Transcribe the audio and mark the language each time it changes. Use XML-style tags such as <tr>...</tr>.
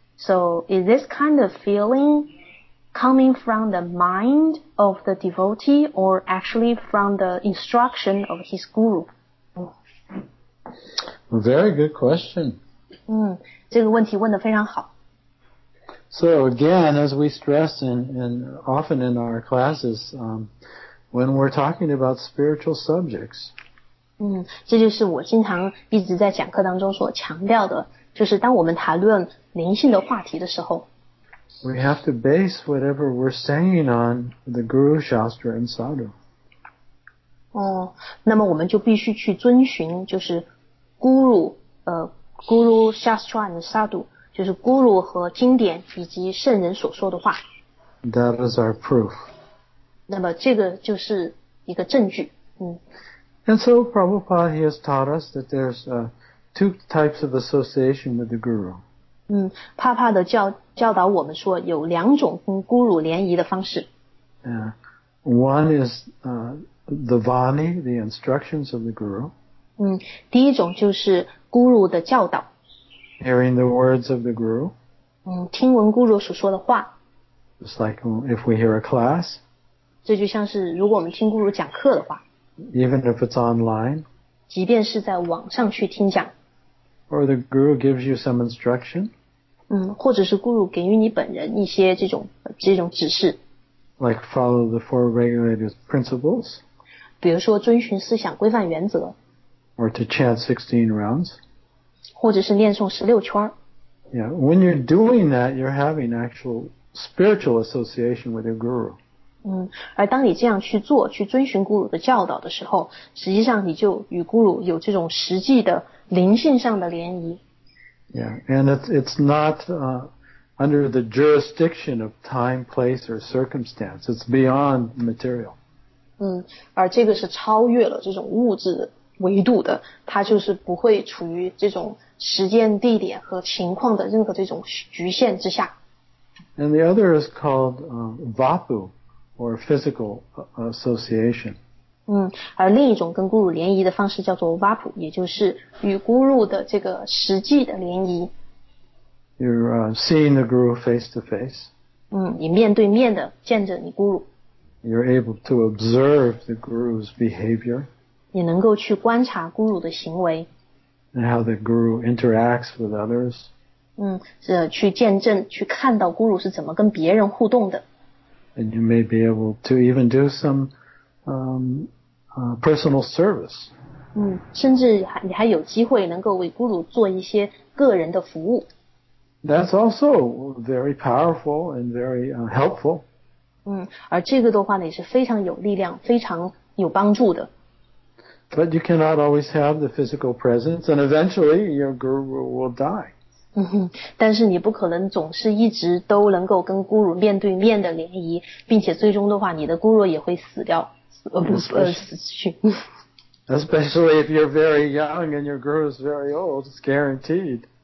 <en>So is this kind of feeling coming from the mind of the devotee or actually from the instruction of his guru? Very good question.</en> <zh>这个问题问得非常好。</zh> <en>So again, as we stress and often in our classes, when we're talking about spiritual subjects.</en> <zh>这就是我经常一直在讲课当中所强调的，就是当我们谈论灵性的话题的时候。</zh> <en>We have to base whatever we're saying on the Guru, Shastra, and Sadhu.</en> <zh>那么我们就必须去遵循就是 Guru, Guru Shastra and Sadhu, 就是 Guru 和经典以及圣人所说的话。</zh> <en>That is our proof.</en> <zh>那么这个就是一个证据。</zh> <en>And so Prabhupada, he has taught us that there's two types of association with the Guru.</en> <zh>帕帕的 教导我们说有两种跟 Guru 联谊的方式。</zh> <en>One is the Vani, the instructions of the Guru.</en> <zh>第一种就是 Guru 的教导。</zh> <en>Hearing the words of the Guru.</en> <zh>听闻 Guru 所说的话。</zh> <en>It's like if we hear a class.</en> <zh>这就像是如果我们听 Guru 讲课的话。</zh> <en>Even if it's online.</en> <zh>即便是在网上去听讲。</zh> <en>Or the Guru gives you some instruction.</en> <zh>或者是 Guru 给予你本人一些这种指示。</zh> <en>Like follow the four regulated principles.</en> <zh>比如说遵循思想规范原则。</zh> <en>Or to chant 16 rounds.</en> <zh>或者是念诵16圈。</zh> <en>Yeah, when you're doing that, you're having actual spiritual association with your guru.</en> <zh>而当你这样去做，去遵循 guru 的教导的时候，实际上你就与 guru 有这种实际的灵性上的联谊。</zh> <en>Yeah, and it's not under the jurisdiction of time, place, or circumstance. It's beyond material.</en> <zh>而这个是超越了这种物质维度的，它就是不会处于这种时间、地点和情况的任何这种局限之下。</zh> <en>And the other is called Vapu, or physical association.</en> <zh>而另一种跟 Guru 联谊的方式叫做 Vapu, 也就是与 Guru 的这个实际的联谊。</zh> <en>You're seeing the Guru face to face.</en> <zh>你面对面的见着你 Guru。</zh> <en>You're able to observe the Guru's behavior.</en> <zh>你能够去观察 Guru 的行为。</zh> <en>And how the Guru interacts with others.</en> <zh>是去见证，去看到 Guru 是怎么跟别人互动的。</zh> <en>And you may be able to even do some personal service.</en> <zh>甚至你还有机会能够为 Guru 做一些个人的服务。</zh> <en>That's also very powerful and very helpful.</en> <zh>而这个的话呢，也是非常有力量，非常有帮助的。</zh> <en>But you cannot always have the physical presence, and eventually your Guru will die.</en> <zh>但是你不可能总是一直都能够跟 Guru 面对面的联谊，并且最终的话，你的 Guru 也会死掉，死去。</zh> <en>Especially if you're very young and your Guru is very old, it's guaranteed.</en>